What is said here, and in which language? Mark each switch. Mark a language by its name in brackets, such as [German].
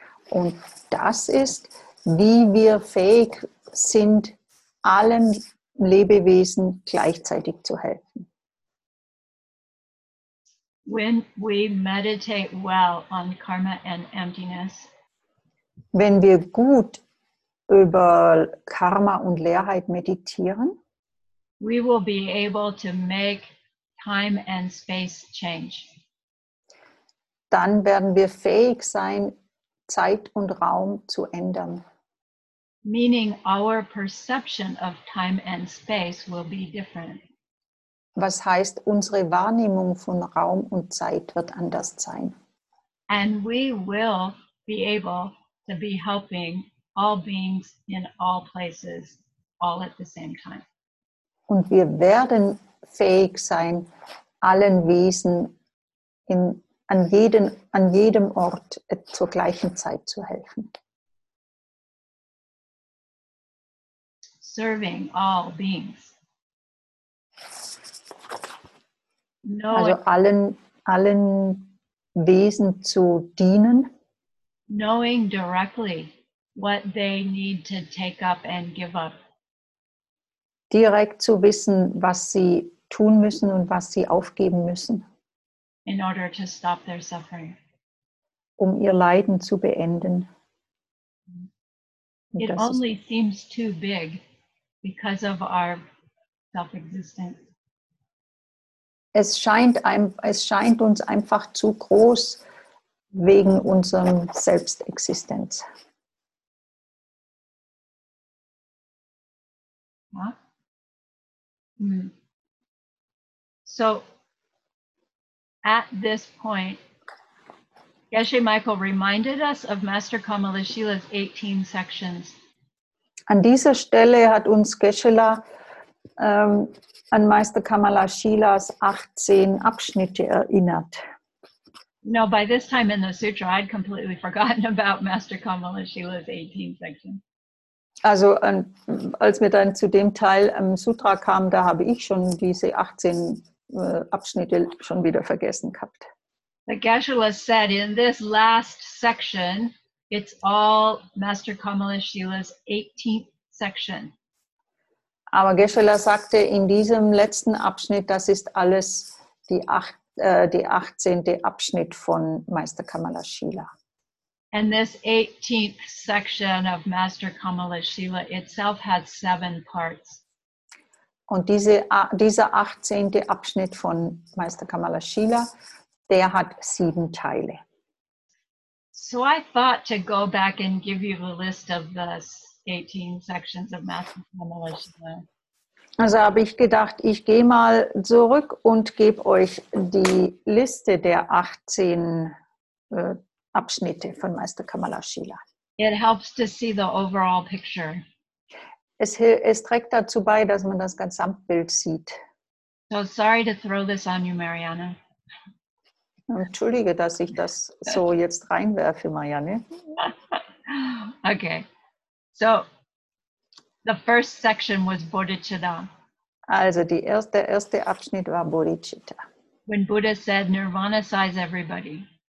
[German] Und das ist, wie wir fähig sind, allen Lebewesen gleichzeitig zu helfen. [English] When we meditate well on karma and emptiness, [German] wenn wir gut über Karma und Leerheit meditieren, [English] we will be able to make time and space change. [German] Dann werden wir fähig sein, Zeit und Raum zu ändern. [English] Meaning our perception of time and space will be different. [German] Was heißt, unsere Wahrnehmung von Raum und Zeit wird anders sein. [English] And we will be able to be helping all beings in all places, all at the same time. [German] Und wir werden fähig sein, allen Wesen an jedem Ort zur gleichen Zeit zu helfen. [English] Serving all beings. [German] Also allen Wesen zu dienen. [English] Knowing directly what they need to take up and give up. [German] Direkt zu wissen, was sie tun müssen und was sie aufgeben müssen. [English] In order to stop their suffering. [German] Um ihr Leiden zu beenden. [English] It only seems too big because of our self-existence. [German] Es scheint uns einfach zu groß wegen unserem Selbstexistenz. [English] So at this point, Geshe Michael reminded us of Master Kamala Shila's 18 sections. [German] An dieser Stelle hat uns Geshe-la an Meister Kamala Shilas 18 Abschnitte erinnert. [English] No, by this time in the sutra, I'd completely forgotten about Master Kamala Shila's 18 sections. [German] Also, als wir dann zu dem Teil im Sutra kamen, da habe ich schon diese 18 Abschnitte schon wieder vergessen gehabt. [English] The Geshe-la said in this last section, it's all Master Kamala Shila's 18th section. [German] Aber Geshe-la sagte in diesem letzten Abschnitt, das ist alles die acht, die 18. Abschnitt von Meister Kamala Shila. [English] And this 18th section of Master Kamala Shila itself had 7 parts. [German] Und dieser 18. Abschnitt von Meister Kamala Shila, der hat 7 Teile. [English] So I thought to go back and give you the list of the 18 sections of Master Kamala Shila. [German] Also habe ich gedacht, ich gehe mal zurück und gebe euch die Liste der 18 Abschnitte von Meister Kamala Shila. [English] It helps to see the overall picture. [German] Es trägt dazu bei, dass man das Gesamtbild sieht. [English] So sorry to throw this on you, Marianne. [German] Entschuldige, dass ich das so jetzt reinwerfe, Marianne. [English] Okay. So the first section was Bodhicitta. [German] Also der erste Abschnitt war Bodhicitta. [English] When Buddha said Nirvana size everybody.